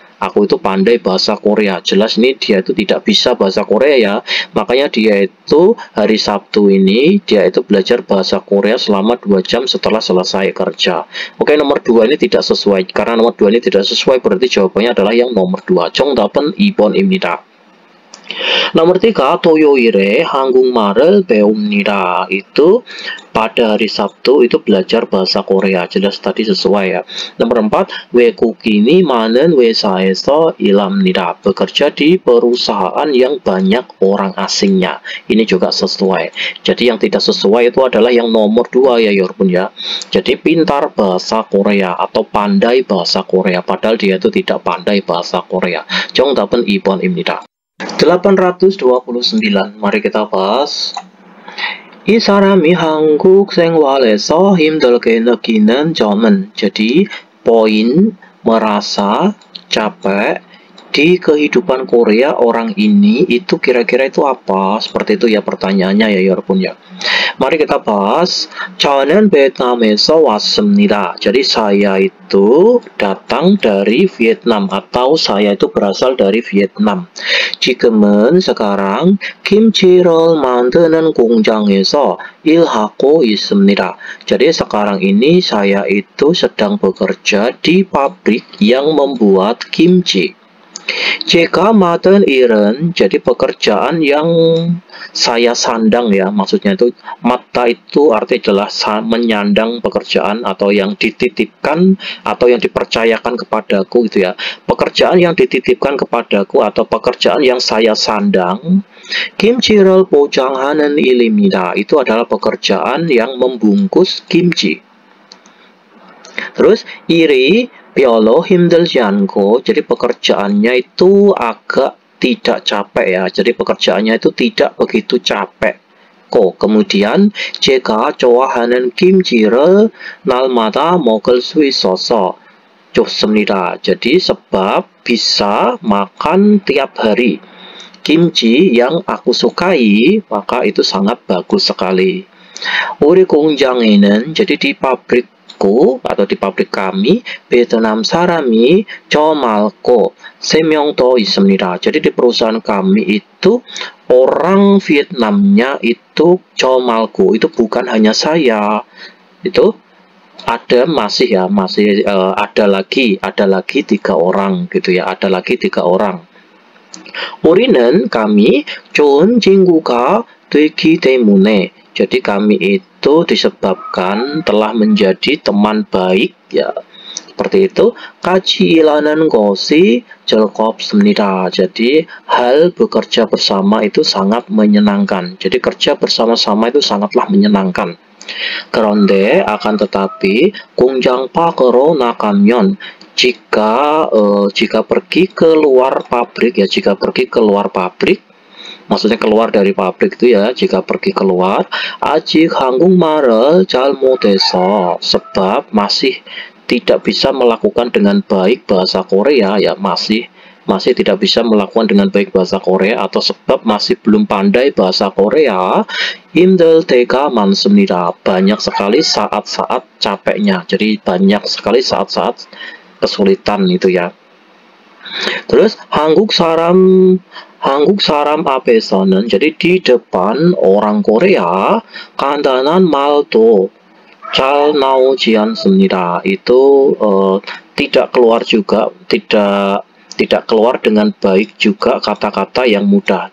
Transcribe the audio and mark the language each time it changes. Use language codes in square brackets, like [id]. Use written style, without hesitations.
[id] aku itu pandai bahasa Korea. Jelas ini dia itu tidak bisa bahasa Korea ya. Makanya dia itu hari Sabtu ini dia itu belajar bahasa Korea selama 2 jam setelah selesai kerja. Oke, nomor 2 ini tidak sesuai. Karena nomor 2 ini tidak sesuai, berarti jawabannya adalah yang nomor 2. [ko] Jeongdeopeun ibon imnida. [id] Nomor 3, [ko] 토요일에 한국말을 배웁니다. [id] Itu pada hari Sabtu itu belajar bahasa Korea. Jelas tadi sesuai ya. Nomor 4, [ko] 외국인이 많은 회사에서 일합니다. [id] Bekerja di perusahaan yang banyak orang asingnya. Ini juga sesuai. Jadi yang tidak sesuai itu adalah yang nomor 2 ya Yorbun ya. Jadi pintar bahasa Korea atau pandai bahasa Korea, padahal dia itu tidak pandai bahasa Korea. [ko] 정답은 2번 입니다. 829. [id] Mari kita bahas. [ko] 이 사람이 한국 생활에서 힘들게 느끼는 점은. [id] Jadi poin merasa capek di kehidupan Korea orang ini itu kira-kira itu apa? Seperti itu ya pertanyaannya ya Yorbun ya. Mari kita bahas. [ko] 저는 베트남에서 왔습니다. [id] Jadi saya itu datang dari Vietnam atau saya itu berasal dari Vietnam. [ko] 지금은 [id] sekarang [ko] 김치를 만드는 공장에서 일하고 있습니다. [id] Jadi sekarang ini saya itu sedang bekerja di pabrik yang membuat kimchi. [ko] 제가 맡은 일은, [id] jadi pekerjaan yang saya sandang ya, maksudnya itu mata itu arti adalah menyandang pekerjaan atau yang dititipkan atau yang dipercayakan kepadaku gitu ya. Pekerjaan yang dititipkan kepadaku atau pekerjaan yang saya sandang, [ko] 김치를 포장하는 일입니다. [id] Itu adalah pekerjaan yang membungkus kimchi. Terus [ko] 일이 별로 힘들지 않고, [id] jadi pekerjaannya itu agak tidak capek ya, jadi pekerjaannya itu tidak begitu capek kok. Kemudian [ko] 제가 좋아하는 김치를 날마다 먹을 수 있어서 좋습니다. [id] Jadi sebab bisa makan tiap hari kimchi yang aku sukai, maka itu sangat bagus sekali. [ko] 우리 공장에는, [id] jadi di pabrik atau di pabrik kami, [ko] 베트남 사람이 저 말고 세 명 더 있습니다. [id] Jadi di perusahaan kami itu orang Vietnamnya itu [ko] 저 말고, [id] itu bukan hanya saya, itu ada masih ya, masih ada lagi tiga orang gitu ya, ada lagi tiga orang. [ko] 우리는 [id] kami [ko] 좋은 친구가 되기 때문에, [id] jadi kami itu disebabkan telah menjadi teman baik ya, seperti itu. [ko] 같이 일하는 것이 즐겁습니다. [id] Jadi hal bekerja bersama itu sangat menyenangkan. Jadi kerja bersama-sama itu sangatlah menyenangkan. [ko] 그런데 [id] akan tetapi [ko] 공장 밖으로 나가면, [id] jika pergi ke luar pabrik ya, jika pergi ke luar pabrik, maksudnya keluar dari pabrik itu ya, jika pergi keluar, [ko] 아직 한국말을 잘 못해서, [id] sebab masih tidak bisa melakukan dengan baik bahasa Korea ya, masih tidak bisa melakukan dengan baik bahasa Korea atau sebab masih belum pandai bahasa Korea, [ko] 힘들게 많습니다. [id] Banyak sekali saat-saat capeknya. Jadi banyak sekali saat-saat kesulitan itu ya. Terus [ko] 한국 사람 앞에서는, [id] jadi di depan orang Korea, [ko] 간단한 말도 잘 나오지 않습니다. [id] Itu tidak keluar dengan baik juga kata-kata yang mudah.